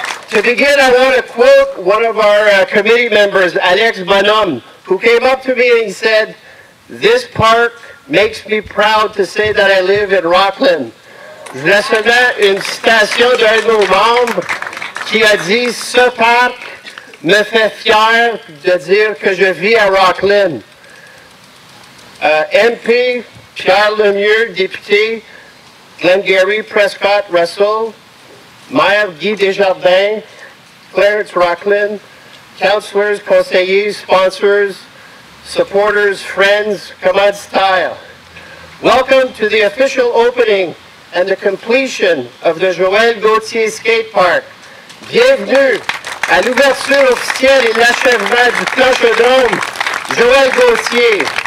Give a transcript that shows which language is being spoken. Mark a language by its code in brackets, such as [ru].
[en] To begin, I want to quote one of our committee members, Alex Bonhomme, who came up to me and he said, "This park makes me proud to say that I live in Rockland." [fr] C'est seulement une citation d'un de nos membres qui a dit, "Ce parc me fait fier de dire que je vis à Rockland." [en] MP Pierre Lemieux, député Glengarry, Prescott, Russell, Maire Guy Desjardins, Clarence Rockland, counselors, conseillers, sponsors, supporters, friends, Command Style. Welcome to the official opening and the completion of the Joël Gauthier Skate Park. [fr] Bienvenue à l'ouverture officielle et l'achèvement du plan Chaudrome, Joël Gauthier.